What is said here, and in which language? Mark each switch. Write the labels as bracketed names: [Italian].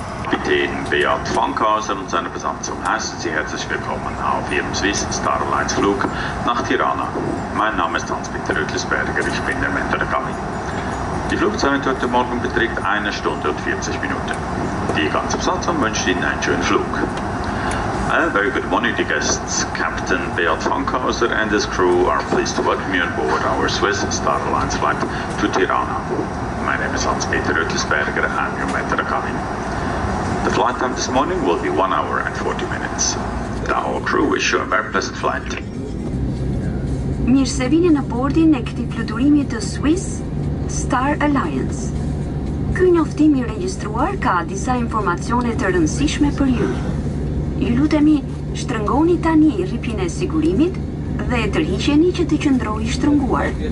[German] Kapitän Beat Fankhauser und seine Besatzung heißen Sie herzlich willkommen auf Ihrem Swiss Starlines Flug nach Tirana. Mein Name ist Hans-Peter Rötlisberger. Ich bin der Mentor der Kabine. Die Flugzeit heute Morgen beträgt 1 Stunde und 40 Minuten. Die ganze Besatzung wünscht Ihnen einen schönen Flug. [English] Very good morning, the guests. Captain Beat Fankhauser and his crew are pleased to welcome you on board our Swiss Star Alliance flight to Tirana. My name is Hans-Peter Rötlisberger, I'm your maître de cabine. The flight time this morning will be 1 hour and 40 minutes. The whole crew wish you a very pleasant flight. [Albanian] Mir se vine në bordin e këtij fluturimi të Swiss Star Alliance. Ky njoftim i regjistruar ka disa informacione të rëndësishme për ju. Ju lutemi, shtrëngoni tani rripin e sigurimit dhe tërhiqeni që të qëndroi shtrënguar.